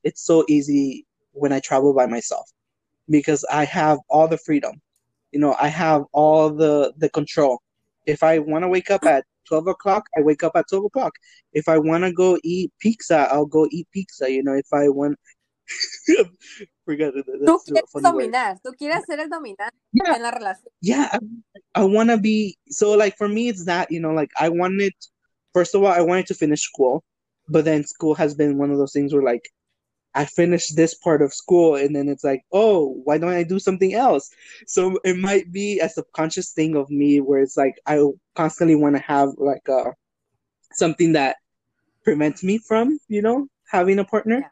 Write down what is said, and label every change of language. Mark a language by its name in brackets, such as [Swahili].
[English] It's so easy when I travel by myself because I have all the freedom. You know, I have all the control. If I want to wake up at 12 o'clock, I wake up at 12 o'clock. If I want to go eat pizza, I'll go eat pizza. You know, if I want, forget it. [Spanish] Tú quieres dominar. Tú quieres ser el dominante en la relación. [English] Yeah, I want to be. So, like for me, it's that, you know, like I wanted. First of all, I wanted to finish school, but then school has been one of those things where, like, I finished this part of school, and then it's like, oh, why don't I do something else? So it might be a subconscious thing of me where it's like I constantly want to have like a something that prevents me from, you know, having a partner.